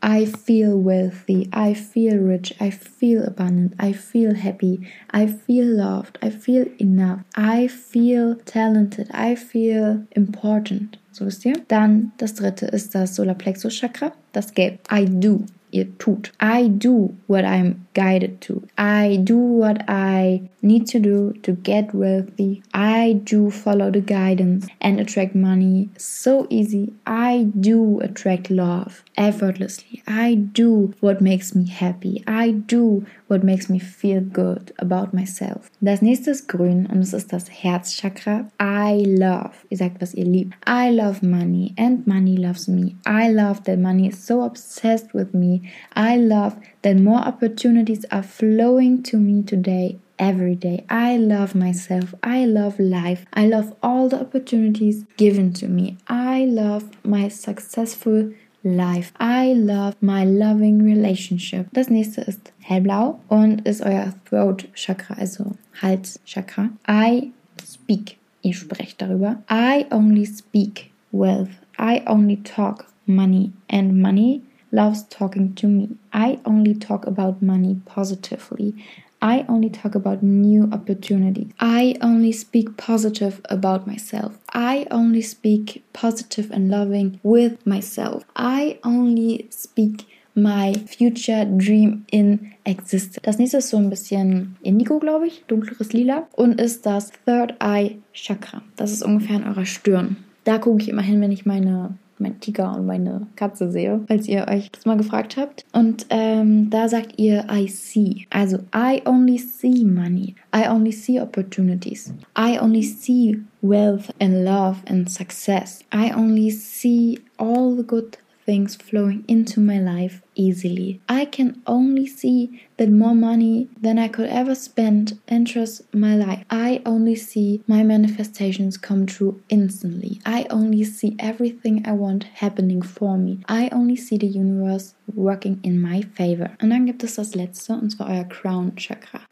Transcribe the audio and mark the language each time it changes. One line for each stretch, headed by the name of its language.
English: I feel wealthy. I feel rich. I feel abundant. I feel happy. I feel loved. I feel enough. I feel talented. I feel important.
German: So wisst ihr. Dann das dritte ist das Solar Plexus Chakra. Das Gelb.
English: I do.
German: Ihr tut.
English: I do what I'm guided to. I do what I need to do to get wealthy. I do follow the guidance and attract money so easy. I do attract love effortlessly. I do what makes me happy. I do what makes me feel good about myself.
German: Das nächste ist grün und es ist das Herzchakra.
English: I love.
German: Ihr sagt, was ihr liebt.
English: I love money and money loves me. I love that money is so obsessed with me. I love that more opportunities are flowing to me today, every day. I love myself. I love life. I love all the opportunities given to me. I love my successful life. I love my loving relationship.
German: Das nächste ist hellblau und ist euer Throat Chakra, also Halschakra.
English: I speak.
German: Ihr sprecht darüber.
English: I only speak wealth. I only talk money and money loves talking to me. I only talk about money positively. I only talk about new opportunities. I only speak positive about myself. I only speak positive and loving with myself. I only speak my future dream in existence.
German: Das nächste ist so ein bisschen Indigo, glaube ich, dunkleres Lila. Und ist das Third Eye Chakra. Das ist ungefähr in eurer Stirn. Da gucke ich immer hin, wenn ich meinen Tiger und meine Katze sehe, falls ihr euch das mal gefragt habt. Und da sagt ihr,
English: I see. Also, I only see money. I only see opportunities. I only see wealth and love and success. I only see all the good things flowing into my life easily. I can only see that more money than I could ever spend enters my life. I only see my manifestations come true instantly. I only see everything I want happening for me. I only see the universe working in my favor.
German: Und dann gibt es das letzte, und zwar euer Crown Chakra.